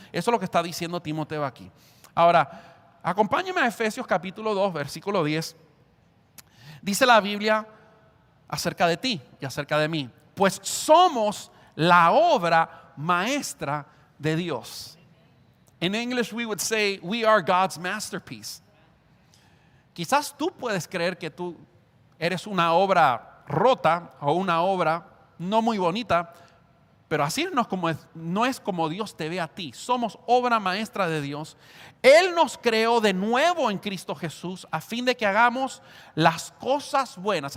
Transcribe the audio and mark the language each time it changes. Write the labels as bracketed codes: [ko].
[es] Eso es lo que está diciendo Timoteo aquí. Ahora, acompáñeme a Efesios capítulo 2, versículo 10. Dice la Biblia acerca de ti y acerca de mí. Pues somos la obra maestra de Dios. [en] In English we would say, we are God's masterpiece. [es] Quizás tú puedes creer que tú eres una obra rota o una obra no muy bonita, pero así no es como Dios te ve a ti. Somos obra maestra de Dios. Él nos creó de nuevo en Cristo Jesús a fin de que hagamos las cosas buenas.